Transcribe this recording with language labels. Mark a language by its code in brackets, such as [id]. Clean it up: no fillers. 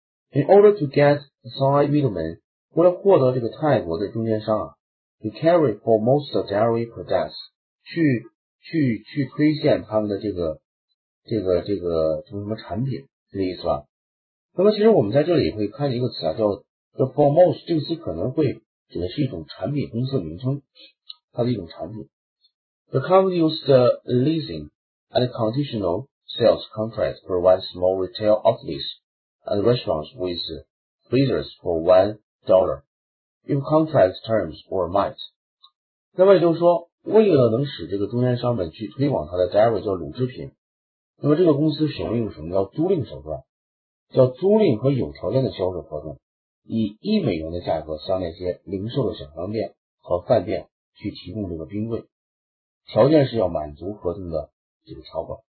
[en] In order to get the side middleman, [zh] 为了获得这个泰国的中间商啊 ， [en] to carry for most dairy products， [zh] 去推荐他们的这个什么什么产品，这个意思吧？那么其实我们在这里会看见一个词啊，叫 for most， 这个词可能会指的是一种产品公司名称，它的一种产品。 [en] The company used the leasing and conditional. Sales contracts provide small retail outlets and restaurants with freezers for $1 if contract terms were met. [zh] 那么也就是说，为了能使这个中间商们去推广他的 dairy 叫乳制品，那么这个公司使用一种什么叫租赁手段，叫租赁和有条件的销售合同，以$1的价格向那些零售的小商店和饭店去提供这个冰柜，条件是要满足合同的这个条款。